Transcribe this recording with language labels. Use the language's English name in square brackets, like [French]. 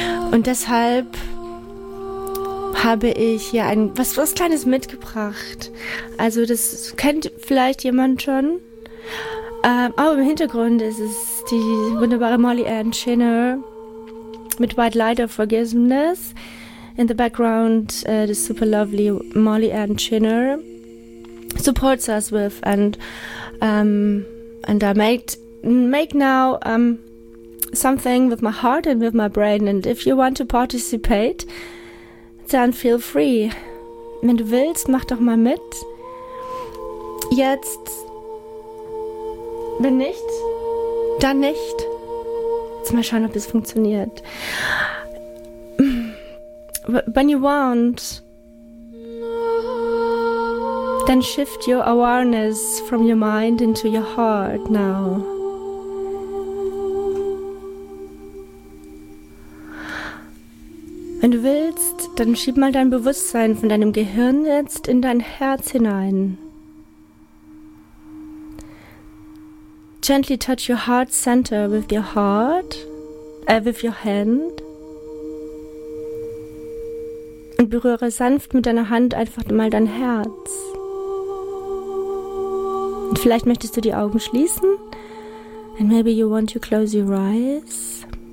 [German] Und deshalb habe ich hier was Kleines mitgebracht. Also das kennt vielleicht jemand schon. Im Hintergrund ist es die wunderbare Molly Ann Chinner mit White Light of Forgiveness. [English] In the background the super lovely Molly Ann Chinner supports us with and I make now something with my heart and with my brain. And if you want to participate, then feel free. [German] Wenn du willst, mach doch mal mit. Jetzt. Wenn nicht, dann nicht. Jetzt mal schauen, ob es funktioniert. [English] When you want, then shift your awareness from your mind into your heart now. [German] Wenn du willst, dann schieb mal dein Bewusstsein von deinem Gehirn jetzt in dein Herz hinein. [English] Gently touch your heart center with your heart, with your hand. [German] Und berühre sanft mit deiner Hand einfach mal dein Herz. Vielleicht möchtest du die Augen schließen. [English] And maybe you want to close your eyes.